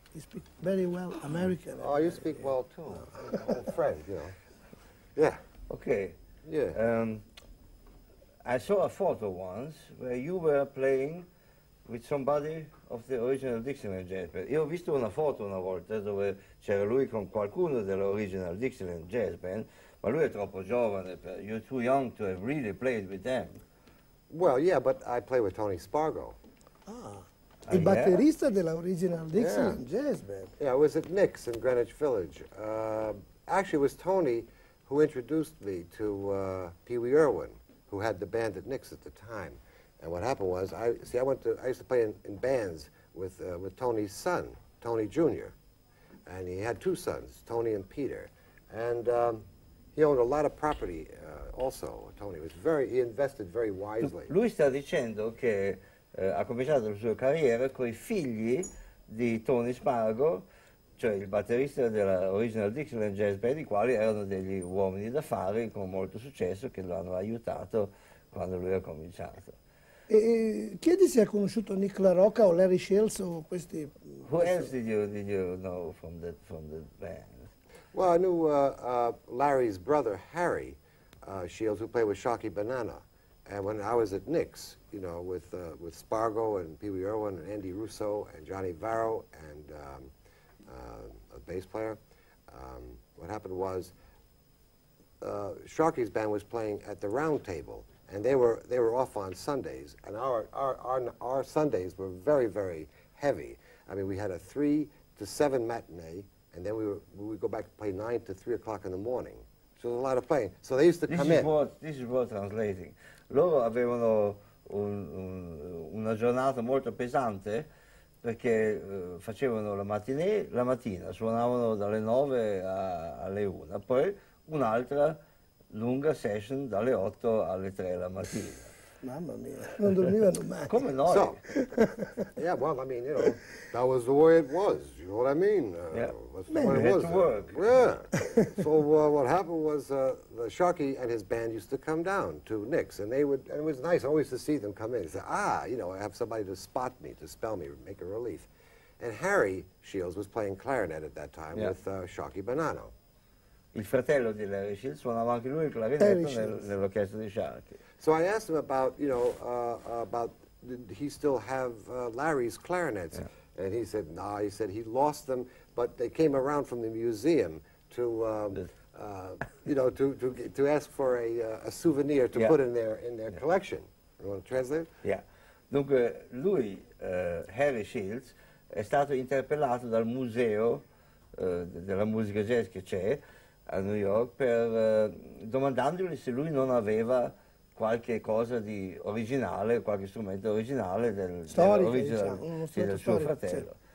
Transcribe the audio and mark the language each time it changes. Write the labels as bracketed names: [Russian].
[English] He speaks very well American. Oh, you speak well, too. No. Old friend, you know. Yeah. Okay. Yeah. I saw a photo once where you were playing with somebody of the Original Dixieland Jazz Band. [Italian] Io ho visto una foto una volta dove c'era lui con qualcuno dell'Original Dixieland Jazz Band, ma lui è troppo giovane, [English] you're too young to have really played with them. Well, yeah, but I play with Tony Spargo. [Italian] Ah, il batterista della Original Dixieland Jazz Band. [English] Yeah, I was at Nick's in Greenwich Village. Actually, it was Tony who introduced me to Pee Wee Irwin, who had the band at Nick's at the time. And what happened was, I used to play in bands with Tony's son, Tony Jr. And he had two sons, Tony and Peter. And he owned a lot of property also, Tony. He invested very wisely. [Italian] Lui sta dicendo che ha cominciato la sua carriera con i figli di Tony Spargo, cioè il batterista della Original Dixieland Jazz Band, i quali erano degli uomini d'affari con molto successo che lo hanno aiutato quando lui ha cominciato. Chiedi se ha conosciuto Nick LaRocca o Larry Shields o questi. [English] Who else did you know from that band? Well, I knew Larry's brother Harry Shields, who played with Shocky Banana, and when I was at Nick's, you know, with Spargo and Pee Wee Irwin and Andy Russo and Johnny Varro and a bass player, what happened was Sharky's band was playing at the Round Table. And they were off on Sundays, and our Sundays were very, very heavy. I mean, we had a 3 to 7 matinee, and then we'd go back and play 9 to 3 o'clock in the morning. So it was a lot of playing. So they used to come in. This is what translating. [Italian] Loro avevano una giornata molto pesante perché facevano la matinée la mattina, suonavano dalle 9 alle 1, poi un'altra lunga session dalle 8 alle 3 la mattina. Mamma mia, non dormivano mai. Come noi. [English] So, yeah, well, I mean, you know, that was the way it was, you know what I mean? Yeah, the way it was. Work. Yeah. So what happened was the Sharky and his band used to come down to Nick's, and they would, and it was nice always to see them come in. They said, ah, you know, I have somebody to spot me, to spell me, make a relief. And Harry Shields was playing clarinet at that time with Shocky Banano. [Italian] Il fratello di Larry Shields suonava anche lui il clarinetto nell'orchestra di Sharky. [English] So I asked him about, you know, about did he still have Larry's clarinets? Yeah. And he said, no, nah, he said he lost them, but they came around from the museum to, you know, to ask for a souvenir to put in their collection. You want to translate? Yeah. [Italian] Dunque, lui, Harry Shields, è stato interpellato dal museo della musica jazz che c'è a New York per domandandogli se lui non aveva qualche cosa di originale, qualche strumento originale del suo fratello.